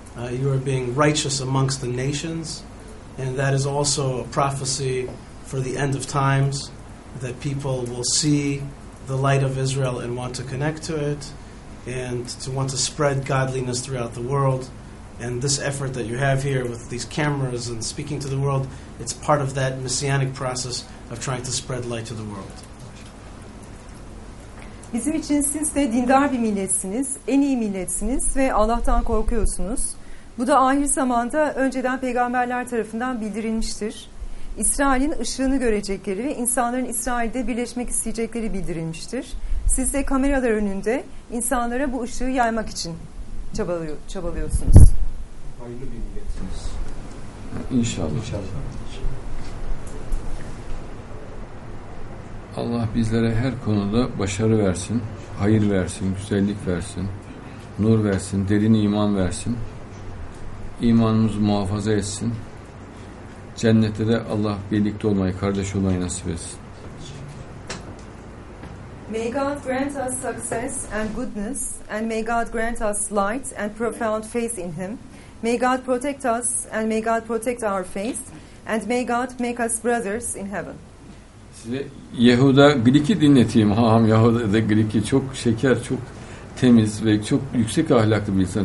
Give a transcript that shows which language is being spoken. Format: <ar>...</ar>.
<en>You are being righteous amongst the nations. And that is also a prophecy for the end of times, that people will see the light of Israel and want to connect to it, and to want to spread godliness throughout the world. And this effort that you have here with these cameras and speaking to the world, it's part of that messianic process of trying to spread light to the world.</en> <tr>Bizim için siz de dindar bir milletsiniz, en iyi milletsiniz ve Allah'tan korkuyorsunuz. Bu da ahir zamanda önceden peygamberler tarafından bildirilmiştir. İsrail'in ışığını görecekleri ve insanların İsrail'de birleşmek isteyecekleri bildirilmiştir. Siz de kameralar önünde insanlara bu ışığı yaymak için çabalıyorsunuz. Hayırlı bir milletsiniz. İnşallah. Allah bizlere her konuda başarı versin, hayır versin, güzellik versin, nur versin, derin iman versin. İmanımızı muhafaza etsin. Cennette de Allah birlikte olmayı, kardeş olmayı nasip etsin.</tr> <en>May God grant us success and goodness, and may God grant us light and profound faith in Him. May God protect us, and may God protect our faith, and may God make us brothers in heaven.</en> <tr>Size Yehuda Glik'i dinleteyim. Haham Yehuda da Glik'i çok şeker, çok temiz ve çok yüksek ahlaklı bir insan.</tr>